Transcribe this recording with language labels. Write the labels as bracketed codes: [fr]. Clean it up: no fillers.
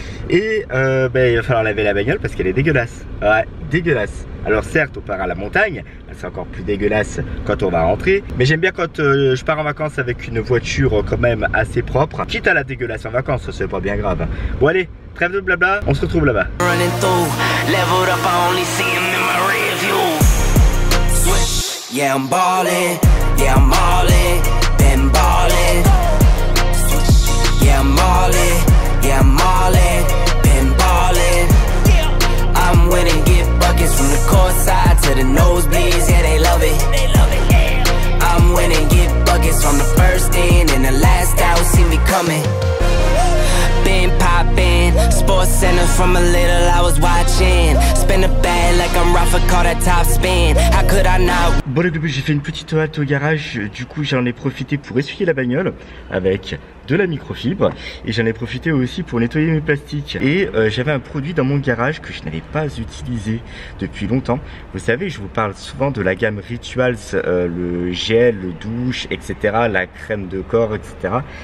[fr] Et il va falloir laver la bagnole parce qu'elle est dégueulasse, ouais, dégueulasse. Alors certes on part à la montagne, c'est encore plus dégueulasse quand on va rentrer, mais j'aime bien quand je pars en vacances avec une voiture quand même assez propre, quitte à la dégueulasse en vacances, c'est pas bien grave. Bon allez, trêve de blabla, on se retrouve là-bas. [en] Running through, leveled up, I only see him in my rear view. Switch. Yeah, I'm ballin', yeah, I'm ballin', been ballin'. Switch. Yeah, I'm ballin', yeah, I'm ballin', been ballin'. Yeah. I'm winning, get buckets from the court side to the nosebleeds, yeah, they love it. They love it, yeah. I'm winning, get buckets from the first in and the last out, see me coming. Been popping, sports center from a little I was watching. Spin a bag like I'm Rafa, call that top spin. How could I not? [fr] Bon les bébés, j'ai fait une petite halte au garage, du coup j'en ai profité pour essuyer la bagnole avec de la microfibre et j'en ai profité aussi pour nettoyer mes plastiques. Et j'avais un produit dans mon garage que je n'avais pas utilisé depuis longtemps. Vous savez, je vous parle souvent de la gamme Rituals, le gel, le douche, etc., la crème de corps, etc.